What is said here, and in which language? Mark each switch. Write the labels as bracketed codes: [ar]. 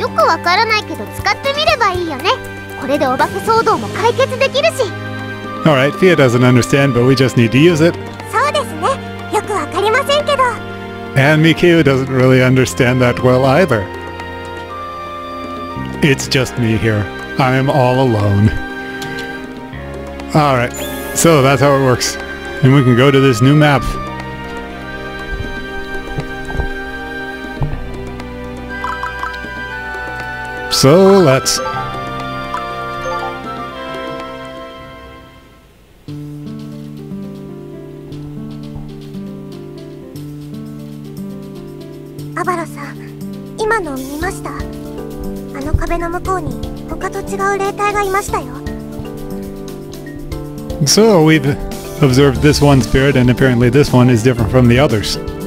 [ja] よくわからないけど使ってみればいいよね。これでお化け騒動も解決できるし。 [en] Alright, Fia doesn't understand, but we just need to use it. [ja] そうですね。よくわかりませんけど。 [en] And Mikio doesn't really understand that well either. It's just me here. I am all alone. Alright, so that's how it works. And we can go to this new map. So let's... [ja] Abara-san, 今の見ました？あの壁の向こうに他と違う霊体がいましたよ。 [en] So we've observed this one spirit and apparently this one is different from the others.